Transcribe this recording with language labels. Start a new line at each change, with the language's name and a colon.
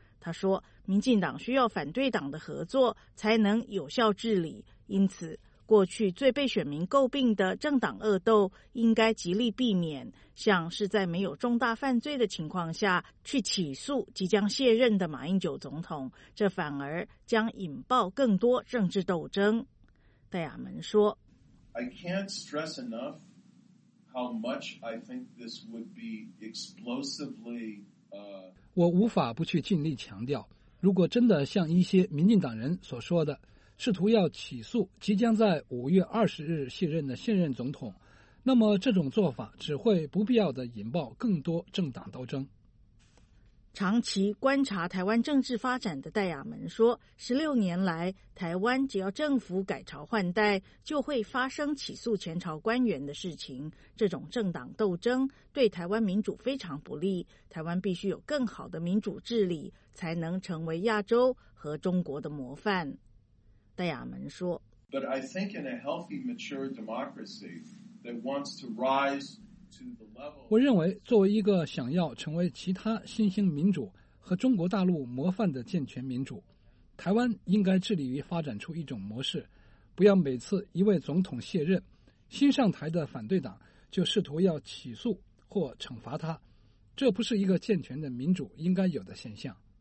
Chinese: 他说，民进党需要反对党的合作才能有效治理，因此过去最被选民诟病的政党恶斗应该极力避免，像是在没有重大犯罪的情况下去起诉即将卸任的马英九总统，这反而将引爆更多政治斗争。戴雅门说，
English: I can't stress enough how much I think this would be explosively
Chinese: 我无法不去尽力强调，如果真的像一些民进党人所说的试图要起诉即将在5月20日卸任的现任总统，那么这种做法只会不必要地引爆更多政党斗争。长期观察台湾政治发展的戴雅门说，16年来，台湾只要政府改朝换代，就会发生起诉前朝官员的事情。这种政党斗争对台湾民主非常不利，台湾必须有更好的民主治理，才能成为亚洲和中国的模范。戴雅门说，
English: But I think in a healthy, mature democracy that wants to rise to the level，
Chinese: 我认为作为一个想要成为其他新兴民主和中国大陆模范的健全民主，台湾应该致力于发展出一种模式，不要每次一位总统卸任，新上台的反对党就试图要起诉或惩罚他，这不是一个健全的民主应该有的现象。